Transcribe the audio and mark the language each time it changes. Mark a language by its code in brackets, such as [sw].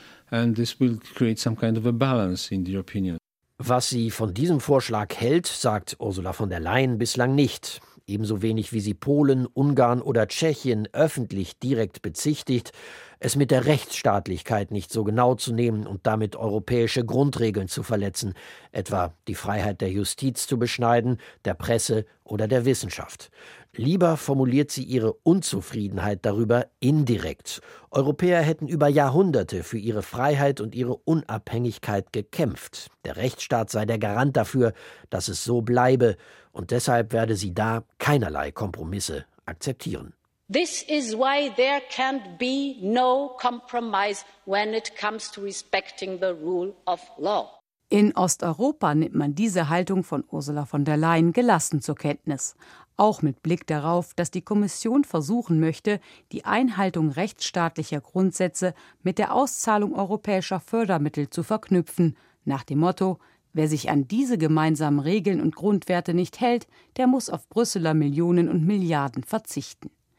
[en] And this will create some kind of a balance in the opinion. [de] Was sie von diesem Vorschlag hält, sagt Ursula von der Leyen bislang nicht. Ebenso wenig wie sie Polen, Ungarn oder Tschechien öffentlich direkt bezichtigt, es mit der Rechtsstaatlichkeit nicht so genau zu nehmen und damit europäische Grundregeln zu verletzen, etwa die Freiheit der Justiz zu beschneiden, der Presse oder der Wissenschaft. Lieber formuliert sie ihre Unzufriedenheit darüber indirekt. Europäer hätten über Jahrhunderte für ihre Freiheit und ihre Unabhängigkeit gekämpft. Der Rechtsstaat sei der Garant dafür, dass es so bleibe. Und deshalb werde sie da keinerlei Kompromisse akzeptieren. [en] This is why there can't be no compromise when it comes to respecting the rule of law. [de] In Osteuropa nimmt man diese Haltung von Ursula von der Leyen gelassen zur Kenntnis. Auch mit Blick darauf, dass die Kommission versuchen möchte, die Einhaltung rechtsstaatlicher Grundsätze mit der Auszahlung europäischer Fördermittel zu verknüpfen. Nach dem Motto, wer sich an diese gemeinsamen Regeln und Grundwerte nicht hält, der muss auf Brüsseler Millionen und Milliarden verzichten.